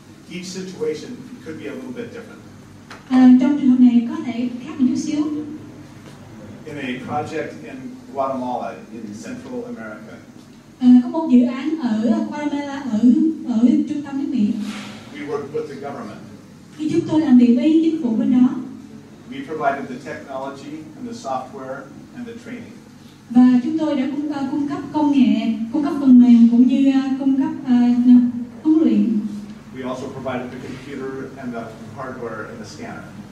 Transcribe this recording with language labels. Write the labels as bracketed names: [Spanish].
[English] Each situation could be a little bit different. [Vietnamese] Trong trường hợp này có thể khác một chút xíu. [English] In a project in Guatemala, in Central America. [Vietnamese] Có một dự án ở Guatemala, ở trung tâm nước Mỹ. [English] We worked with the government. [Vietnamese] Khi chúng tôi làm việc với chính phủ bên đó. [English] We provided the technology and the software and the training. [Vietnamese] Và chúng tôi đã cung cấp công nghệ, cung cấp phần mềm cũng như cung cấp huấn luyện. [English] We also provided the computer and the hardware and the scanner.